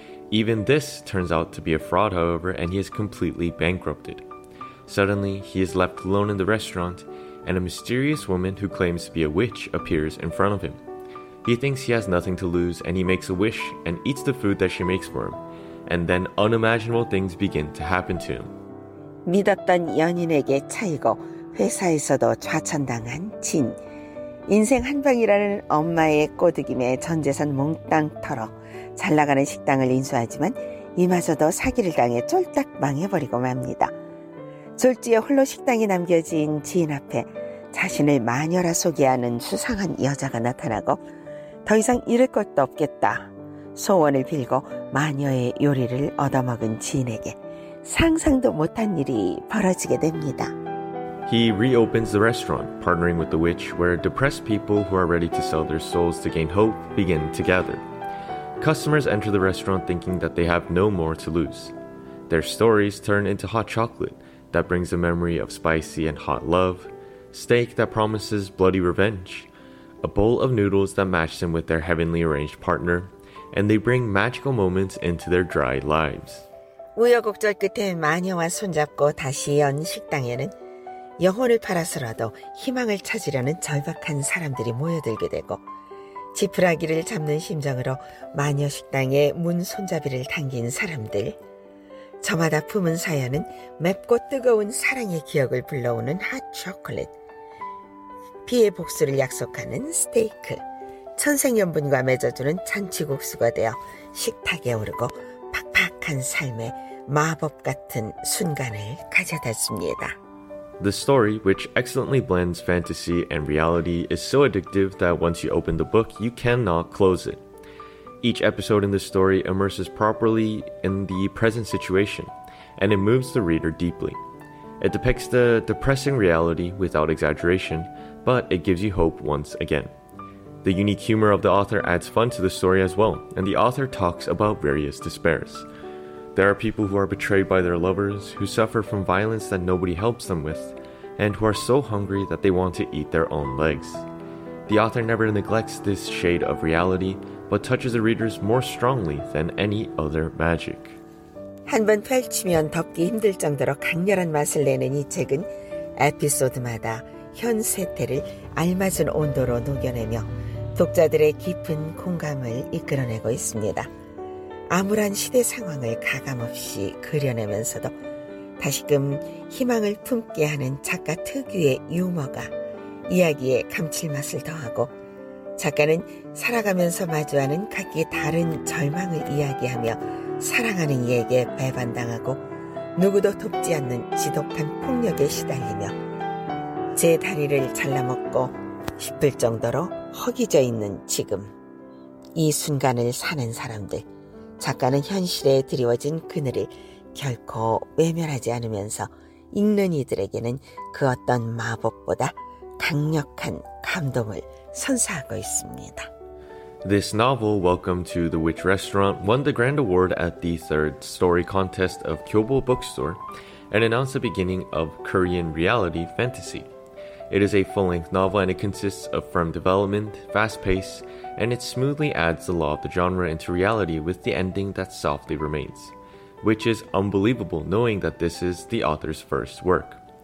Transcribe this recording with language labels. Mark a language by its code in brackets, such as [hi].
[en] Even this turns out to be a fraud, however, and he is completely bankrupted. Suddenly, he is left alone in the restaurant, and a mysterious woman who claims to be a witch appears in front of him. He thinks he has nothing to lose, and he makes a wish and eats the food that she makes for him. and then unimaginable things begin to happen to him. [ko] 믿었던 연인에게 차이고 회사에서도 좌천당한 진. 인생 한 방이라는 엄마의 꼬드김에 전 재산 몽땅 털어 잘 나가는 식당을 인수하지만 이마저도 사기를 당해 쫄딱 망해버리고 맙니다. 졸지에 홀로 식당이 남겨진 지인 앞에 자신을 마녀라 소개하는 수상한 여자가 나타나고 더 이상 잃을 것도 없겠다 소원을 빌고 마녀의 요리를 얻어먹은 지인에게 상상도 못한 일이 벌어지게 됩니다. [en] He reopens the restaurant, partnering with the witch, where depressed people who are ready to sell their souls to gain hope begin to gather. Customers enter the restaurant thinking that they have no more to lose. Their stories turn into hot chocolate that brings a memory of spicy and hot love, steak that promises bloody revenge, a bowl of noodles that match them with their heavenly arranged partner, and they bring magical moments into their dry lives. [ko] 우여곡절 끝에 마녀와 손잡고 다시 연 식당에는 영혼을 팔아서라도 희망을 찾으려는 절박한 사람들이 모여들게 되고 지푸라기를 잡는 심정으로 마녀 식당의 문 손잡이를 당긴 사람들 저마다 품은 사연은 맵고 뜨거운 사랑의 기억을 불러오는 핫 초콜릿 피의 복수를 약속하는 스테이크 천생연분과 맺어주는 잔치국수가 되어 식탁에 오르고 팍팍한 삶의 마법 같은 순간을 가져다 줍니다. [en] The story, which excellently blends fantasy and reality, is so addictive that once you open the book, you cannot close it. Each episode in the story immerses properly in the present situation, and it moves the reader deeply. It depicts the depressing reality without exaggeration, but it gives you hope once again. The unique humor of the author adds fun to the story as well, and the author talks about various despairs. There are people who are betrayed by their lovers, who suffer from violence that nobody helps them with, and who are so hungry that they want to eat their own legs. The author never neglects this shade of reality, but touches the readers more strongly than any other magic. [ko] 한번 펼치면 덮기 힘들 정도로 강렬한 맛을 내는 이 책은 에피소드마다 현 세태를 알맞은 온도로 녹여내며 독자들의 깊은 공감을 이끌어내고 있습니다. 암울한 시대 상황을 가감없이 그려내면서도 다시금 희망을 품게 하는 작가 특유의 유머가 이야기에 감칠맛을 더하고 작가는 살아가면서 마주하는 각기 다른 절망을 이야기하며 사랑하는 이에게 배반당하고 누구도 돕지 않는 지독한 폭력에 시달리며 제 다리를 잘라먹고 싶을 정도로 허기져 있는 지금 이 순간을 사는 사람들 작가는 현실에 드리워진 그늘을 결코 외면하지 않으면서 읽는 이들에게는 그 어떤 마법보다 강력한 감동을 선사하고 있습니다. [en] This novel, Welcome to the Witch Restaurant, won the grand award at the third story contest of Kyobo Bookstore and announced the beginning of Korean reality fantasy. It is a full-length novel and it consists of firm development, fast pace, and it smoothly adds the law of the genre into reality with the ending that softly remains, which is unbelievable knowing that this is the author's first work.